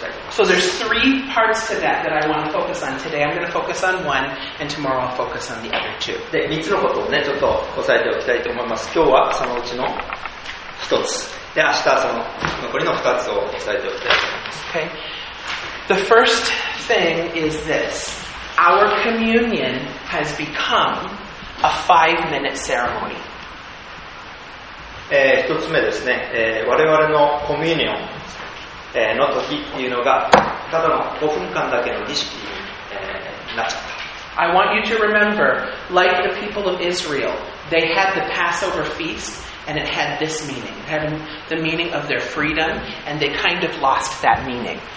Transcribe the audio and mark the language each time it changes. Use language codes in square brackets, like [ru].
[en] So there's three parts to that that I want to focus on today. I'm going to focus on one, and tomorrow I'll focus on the other two. [ja] で、三つのことをね、ちょっと押さえておきたいと思います。今日はそのうちの一つ。で、明日はその残りの二つを押さえておきたいと思います。 [en] Okay. The first thing is this. Our communion has become a five-minute ceremony. [ja] 一つ目ですね、我々のコミュニオン、の時っていうのがただの5分間だけの儀式に、なっちゃった。 [en] I want you to remember, like the people of Israel, they had the Passover feast and it had this meaning. It had the meaning of their freedom and they kind of lost that meaning.